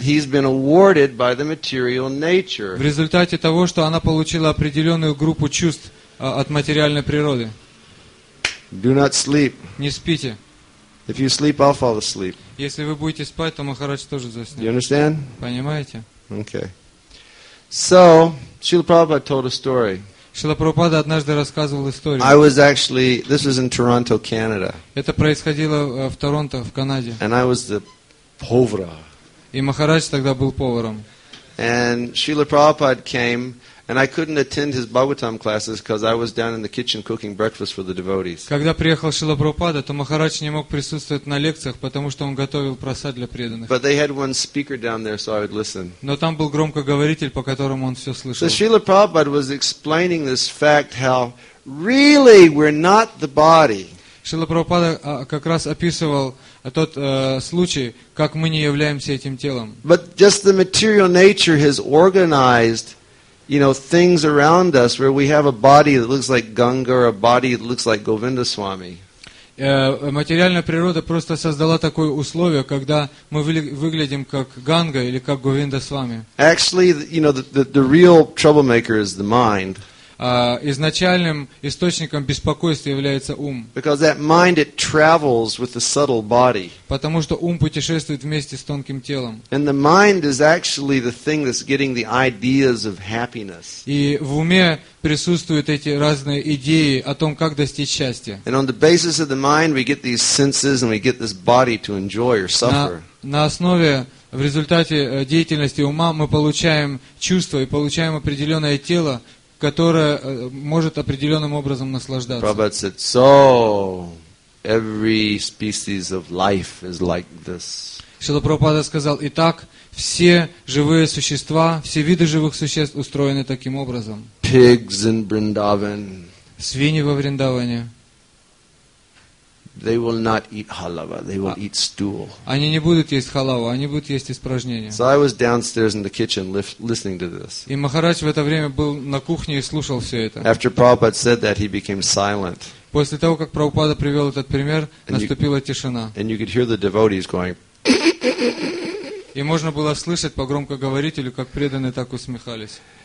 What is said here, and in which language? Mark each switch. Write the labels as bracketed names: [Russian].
[Russian] В результате того, что она получила определенную группу чувств от материальной природы. Не спите. [English] If you sleep, I'll fall asleep. [Russian] Если вы будете спать, то Махарадж тоже заснет. [English] You understand? [Russian] Понимаете? [English] Okay. So, Srila Prabhupada told a story. [Russian] Шрила Прабхупада однажды рассказывал историю. [English] I was actually, this was in Toronto, Canada. [Russian] Это происходило в Торонто, в Канаде. [English] And I was the povara. [Russian] И Махарадж тогда был поваром. [English] And Srila Prabhupada came And I couldn't attend his Bhagavatam classes because I was down in the kitchen cooking breakfast for the devotees. [Russian] Когда приехал Шрила Прабхупада, то Махарадж не мог присутствовать на лекциях, потому что он готовил просад для преданных. [English] But they had one speaker down there, so I would listen. [Russian] Но там был громкоговоритель, по которому он все слышал. [English] So Шрила Прабхупада was explaining this fact, how really we're not the body. [Russian] Шрила Прабхупада как раз описывал тот случай, как мы не являемся этим телом. [English] But just the material nature has organized, you know, things around us where we have a body that looks like Ganga or a body that looks like Govinda Swami. [Russian] Материальная природа просто создала такое условие, когда мы выглядим как Ганга или как Говинда Свами. [English] Actually, you know, the real troublemaker is the mind. [Russian] Изначальным источником беспокойства является ум. [English] Because that mind, it travels with the subtle body. [Russian] Потому что ум путешествует вместе с тонким телом. [English] And the mind is actually the thing that's getting the ideas of happiness. [Russian] И в уме присутствуют эти разные идеи о том, как достичь счастья. [English] And on the basis of the mind, we get these senses and we get this body to enjoy or suffer. [Russian] На основе В результате деятельности ума мы получаем чувства и получаем определенное тело, которое может определенным образом наслаждаться. [English] Prabhupada said, so every species of life is like this. [Russian] Шрила Прабхупада сказал, итак, все живые существа, все виды живых существ устроены таким образом. [English] Pigs in Vrindavan. [Russian] Свиньи во Вриндаване. [English] They will not eat halava. They will eat stool. [Russian] Они не будут есть халаву, они будут есть испражнения. [English] So I was downstairs in the kitchen listening to this. [Russian] И Махарадж в это время был на кухне и слушал все это. [English] After Prabhupada said that, he became silent. [Russian] После того, как Прабхупада привел этот пример, наступила тишина. [English] And you could hear the devotees going. [Russian] И можно было слышать по громкоговорителю, как преданные так усмехались.